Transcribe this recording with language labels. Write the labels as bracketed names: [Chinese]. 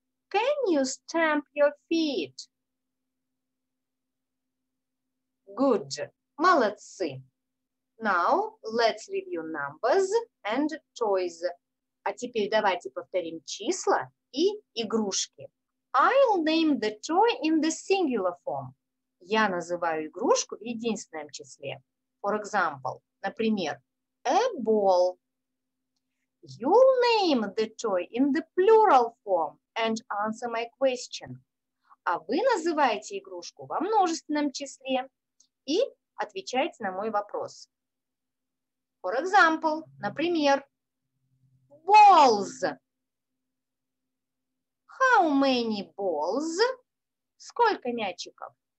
[English] Can you stamp your feet? Good. [Russian] Молодцы. [English] Now let's review numbers and toys. [Russian] А теперь давайте повторим числа и игрушки. [English] I'll name the toy in the singular form. [Russian] Я называю игрушку в единственном числе. [English] For example, [Russian] например, [English] a ball. You'll name the toy in the plural form and answer my question. [Russian] А вы называете игрушку во множественном числе и отвечаете на мой вопрос. [English] For example, [Russian] например, [English] balls. How many balls? [Russian] Сколько мячиков?